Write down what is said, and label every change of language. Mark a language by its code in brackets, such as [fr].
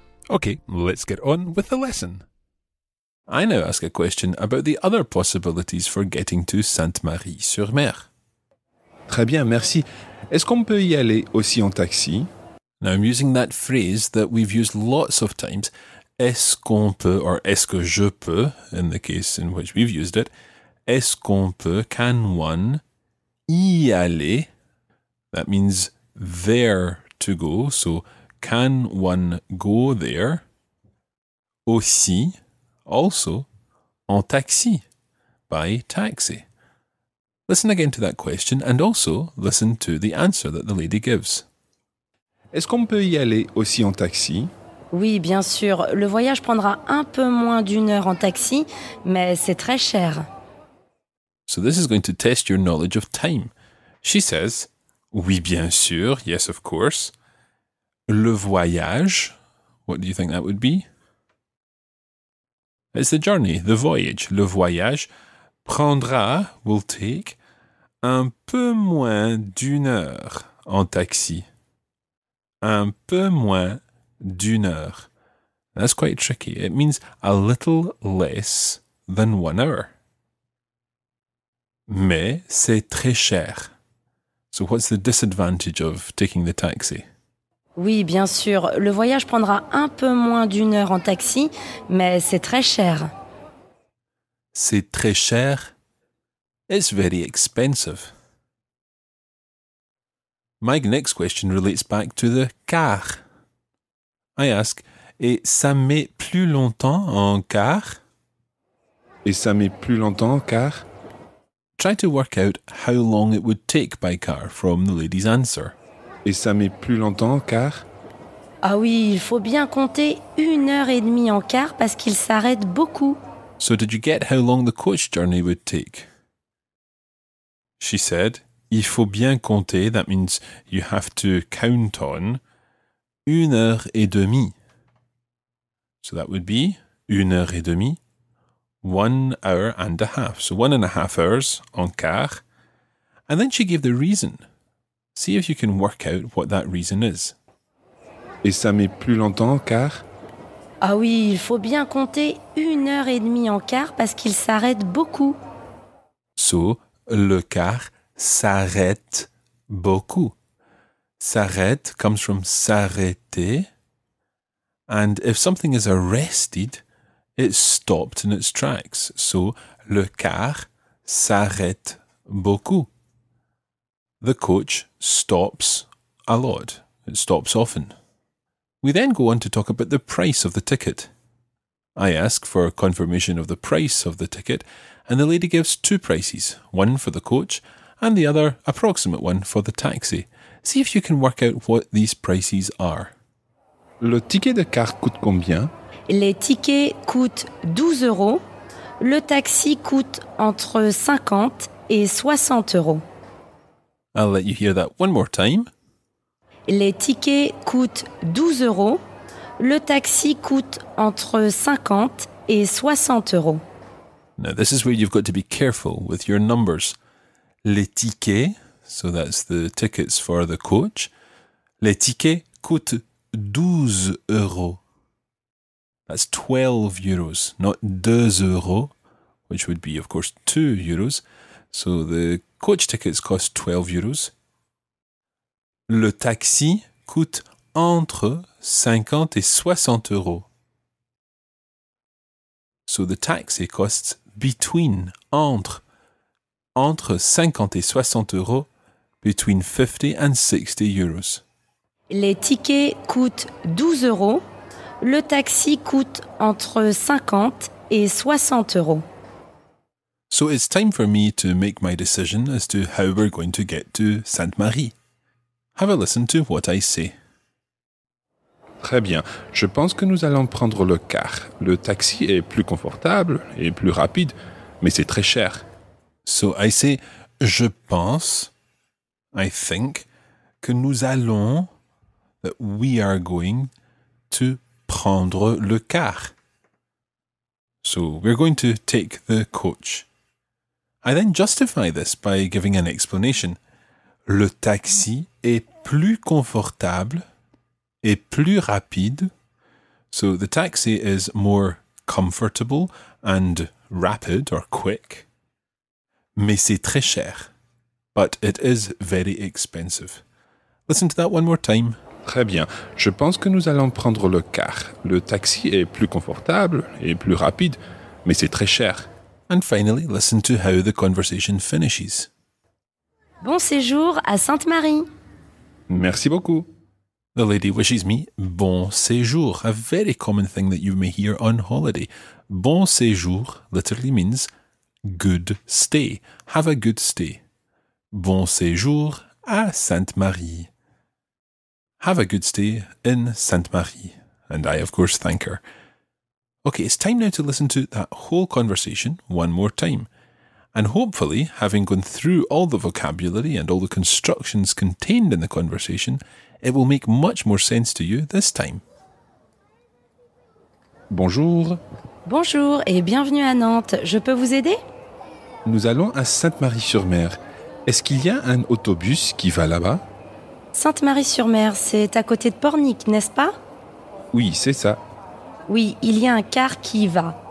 [en] Okay, let's get on with the lesson. I now ask a question about the other possibilities for getting to Sainte-Marie-sur-Mer. [fr] Très bien, merci. Est-ce qu'on peut y aller aussi en taxi? [en] Now, I'm using that phrase that we've used lots of times. [fr] est-ce qu'on peut, or est-ce que je peux, [en] in the case in which we've used it, [fr] est-ce qu'on peut, [en] can one, [fr] y aller? [en] That means there to go. So, can one go there? Aussi, also, en taxi, by taxi. Listen again to that question and also listen to the answer that the lady gives. [fr] Est-ce qu'on peut y aller aussi en taxi? Oui, bien sûr. Le voyage prendra un peu moins d'une heure en taxi, mais c'est très cher. [en] So this is going to test your knowledge of time. She says, [fr] oui, bien sûr, [en] yes, of course. [fr] Le voyage, [en] what do you think that would be? It's the journey, the voyage. [fr] Le voyage prendra, [en] will take, [fr] un peu moins d'une heure en taxi. Un peu moins d'une heure. [en] That's quite tricky. It means a little less than 1 hour. [fr] Mais c'est très cher. [en] So what's the disadvantage of taking the taxi? [fr] Oui, bien sûr. Le voyage prendra un peu moins d'une heure en taxi, mais c'est très cher. C'est très cher. [en] It's very expensive. My next question relates back to the car. I ask, [fr] et ça met plus longtemps en car? Et ça met plus longtemps en car? [en] Try to work out how long it would take by car from the lady's answer. [fr] Et ça met plus longtemps en car? Ah oui, il faut bien compter 1h30 en car parce qu'il s'arrête beaucoup. [en] So did you get how long the coach journey would take? She said, [fr] il faut bien compter, [en] that means you have to count on, 1h30. So that would be 1h30, 1 hour and a half. So 1.5 hours en car. And then she gave the reason. See if you can work out what that reason is. [fr] Et ça met plus longtemps en car? Ah oui, il faut bien compter 1h30 en car parce qu'il s'arrête beaucoup. [en] So, [fr] le car s'arrête beaucoup. [en] S'arrête comes from s'arrêter. And if something is arrested, it's stopped in its tracks. [fr] So, le car s'arrête beaucoup. [en] The coach stops a lot. It stops often. We then go on to talk about the price of the ticket. I ask for a confirmation of the price of the ticket, and the lady gives two prices, one for the coach and the other approximate one for the taxi. See if you can work out what these prices are. [fr] Le ticket de car coûte combien? Les tickets coûtent 12 euros. Le taxi coûte entre 50 et 60 euros. [en] I'll let you hear that one more time. [fr] Les tickets coûtent 12 euros. Le taxi coûte entre 50 et 60 euros. [en] Now, this is where you've got to be careful with your numbers. [fr] Les tickets, [en] so that's the tickets for the coach. [fr] Les tickets coûtent 12 euros. [en] That's 12 euros, not 2 euros, which would be, of course, 2 euros. So the coach tickets cost 12 euros. [fr] Le taxi coûte entre 50 et 60 euros. [en] So the taxi costs between, [fr] entre 50 et 60 euros, [en] between 50 and 60 euros. [fr] Les tickets coûtent 12 euros. Le taxi coûte entre 50 et 60 euros. [en] So it's time for me to make my decision as to how we're going to get to Sainte-Marie. Have a listen to what I say. [fr] Très bien. Je pense que nous allons prendre le car. Le taxi est plus confortable et plus rapide, mais c'est très cher. [en] So I say, [fr] je pense, [en] I think, [fr] que nous allons, [en] that we are going to [fr] prendre le car. [en] So we're going to take the coach. I then justify this by giving an explanation. [fr] Le taxi est plus confortable et plus rapide. [en] So the taxi is more comfortable and rapid or quick. [fr] Mais c'est très cher. [en] But it is very expensive. Listen to that one more time. [fr] Très bien. Je pense que nous allons prendre le car. Le taxi est plus confortable et plus rapide, mais c'est très cher. [en] And finally, listen to how the conversation finishes. [fr] Bon séjour à Sainte-Marie. Merci beaucoup. [en] The lady wishes me bon séjour, a very common thing that you may hear on holiday. Bon séjour literally means good stay. Have a good stay. [fr] Bon séjour à Sainte-Marie. [en] Have a good stay in Sainte-Marie. And I, of course, thank her. Okay, it's time now to listen to that whole conversation one more time. And hopefully, having gone through all the vocabulary and all the constructions contained in the conversation, it will make much more sense to you this time. [fr] Bonjour. Bonjour et bienvenue à Nantes. Je peux vous aider? Nous allons à Sainte-Marie-sur-Mer. Est-ce qu'il y a un autobus qui va là-bas? Sainte-Marie-sur-Mer, c'est à côté de Pornic, n'est-ce pas? Oui, c'est ça. Oui, il y a un car qui y va.